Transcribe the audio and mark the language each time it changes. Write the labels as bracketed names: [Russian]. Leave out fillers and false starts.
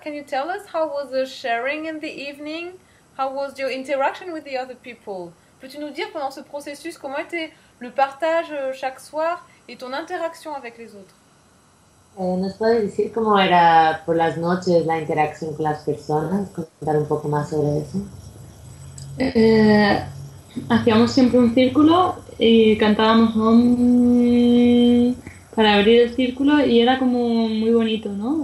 [English] Can you tell us how was the sharing in the evening? How was your interaction with the other people? [French] Peux-tu nous dire pendant ce processus comment était le partage chaque soir et ton interaction avec les autres? [Spanish] ¿Nos puedes decir cómo era por las noches la interacción con las personas? ¿Contar un poco más sobre eso? Hacíamos siempre un círculo y cantábamos Om para abrir el círculo y era como muy bonito, ¿no?